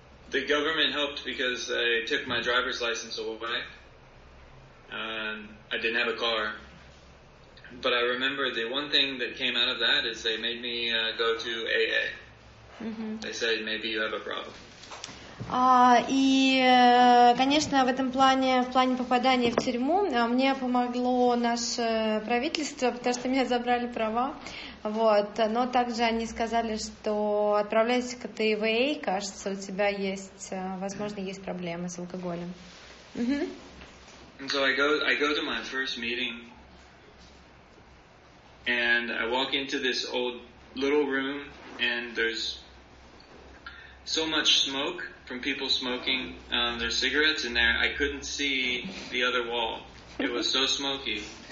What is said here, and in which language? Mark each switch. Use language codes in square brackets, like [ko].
[en] The government helped because they took my driver's license away. I didn't have a car. But I remember the one thing that came out of that is they made me go to AA. They said, maybe you have a problem. [ru] И, конечно, в этом плане, в плане попадания в тюрьму, мне помогло наше правительство, потому что меня забрали права. Вот. Но также они сказали, что отправляйся-ка ты в AA, кажется, у тебя есть, возможно, есть проблемы с алкоголем. [en] And so I go to my first meeting. And I walk into this old little room, and there's so much smoke from people smoking their cigarettes in there. I couldn't see the other wall. It was so smoky.